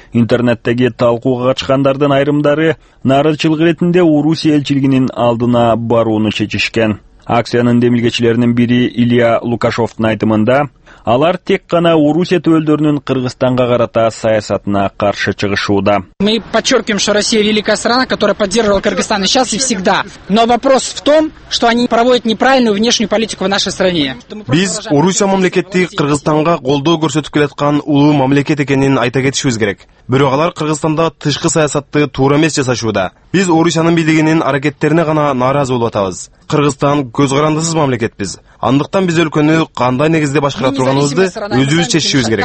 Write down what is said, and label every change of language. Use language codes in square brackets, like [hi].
[ky] Интернеттеги талкууга качкандардын айрымдары нарызчылык ретинде Орусия элчилигинин алдына барууну чечишкен. Акциянын демилгечилеринин бири Илья Лукашовдун айтымында, алар тек гана Орусия төлдөрүнүн Кыргызстанга карата саясатына каршы чыгышууда. [ru] Мы подчеркиваем, что Россия великая страна, которая поддерживала Кыргызстан и сейчас, и всегда. Но вопрос в том, что они проводят неправильную внешнюю политику в нашей стране. [ky] Биз Орусия мамлекети Кыргызстанга колдоо көрсөтүп келаткан улуу мамлекет экенин айта кетишибиз керек. Бирок алар Кыргызстанда тышкы саясатты туура эмес жасашууда. Биз Орусиянын бийлигинин аракеттерине гана нааразы болуп атабыз. Кыргызстан көз карандысыз мамлекетпиз. Андыктан биз өлкөнү кандай негизде башкара турганыбызды өзүбүз чечишибиз керек.